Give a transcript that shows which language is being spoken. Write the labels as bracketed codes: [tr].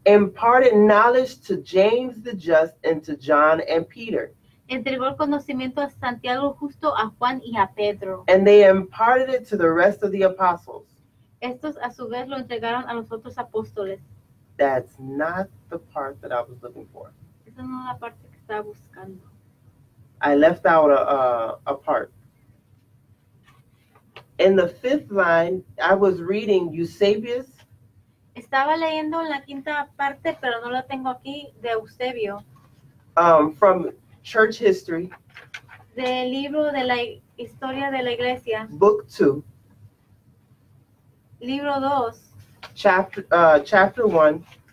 [en] Imparted knowledge to James the Just and to John and Peter. [es] Entregó el conocimiento a Santiago Justo, a Juan y a Pedro. [en] And they imparted it to the rest of the apostles. [es] Estos a su vez lo entregaron a los otros apóstoles. [en] That's not the part that I was looking for. [es] Esa no es la parte que estaba buscando. [en] I left out a part. In the 5th line, I was reading Eusebius. [es] Estaba leyendo la quinta parte, pero no la tengo aquí, de Eusebio. [en] From Church History. [es] Del libro de la historia de la iglesia. [en] Book 2. [es] Libro 2. [en] Chapter 1.